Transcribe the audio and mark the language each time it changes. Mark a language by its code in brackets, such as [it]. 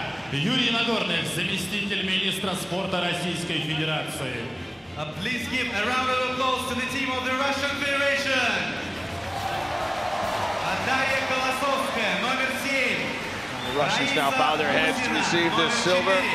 [ru] Юрий Нагорный, заместитель министра спорта Российской Федерации. [en] Please give a round of applause to the team of the Russian Federation. [ru] Дарья Колосовская, номер 7. [en] The Russians now bow their heads to receive this silver.